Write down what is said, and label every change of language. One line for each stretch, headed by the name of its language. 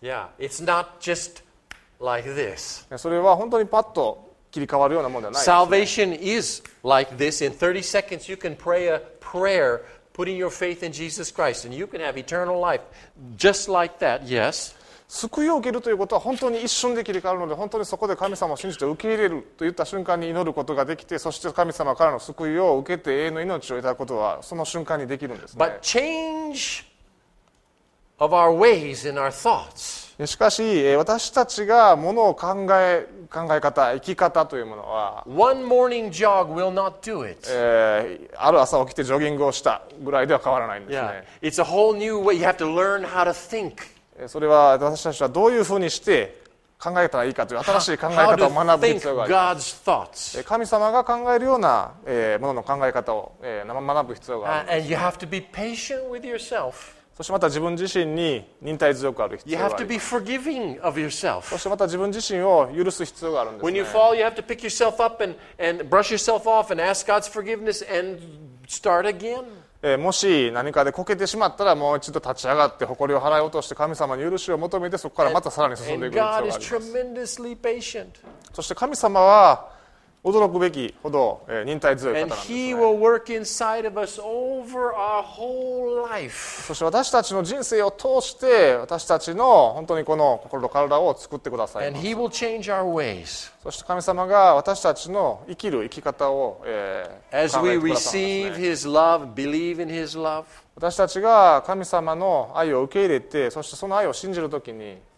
English: Yeah, it's not just like this.
Japanese: それは本当にパッと切り替わるようなものではないです、ね。
English: Salvation is like this. In 30 seconds, you can pray a prayer, putting your faith in Jesus Christ, and you can have eternal life just like that. Yes.
Japanese: 救いを受けるということは本当に一瞬で切り替わるので、本当にそこで神様を信じて受け入れると言った瞬間に祈ることができて、そして神様からの救いを受けて永遠の命をいただくことはその瞬間にできるんですね。
English: But changeOf our ways and our thoughts.
Japanese: しかし私たちがものを考え方生き方というものは
English: One morning jog will not do it.
Japanese: ある朝起きてジョギングをしたぐらいでは変わらないんですね。
English: Yeah. It's a whole new way. You have to learn how to think.
Japanese: それは私たちはどういうふうにして考えたらいいかという新しい考え方を学ぶ必要があります。神様が考えるようなものの考え方を学ぶ必要があります。
English: And you have to be patient with yourself.
Japanese: そしてまた自分自身に忍耐強くある必要があります。
English: You have to be forgiving of yourself.
Japanese: そしてまた自分自身を許す必要があるんですね。
English: When you fall, you have to pick yourself up and brush yourself off and ask God's forgiveness and start again.
Japanese: もし何かでこけてしまったら、もう一度立ち上がって誇りを払い落として神様に許しを求めて、そこからまたさらに進んでいく必要があります。
English: And God is tremendously patient.
Japanese: そして神様は驚くべきほど忍耐強い方なんですね。
English: And he will work inside of us over our whole life.
Japanese: そして私たちの人生を通して私たちの本当にこの心と体を作ってくださいます。
English: And he will change our ways.
Japanese: そして神様が私たちの生きる生き方を考えてくださいます。
English: As we receive his love, believe in his love.
Japanese: 私たちが神様の愛を受け入れて、そしてその愛を信じるときに、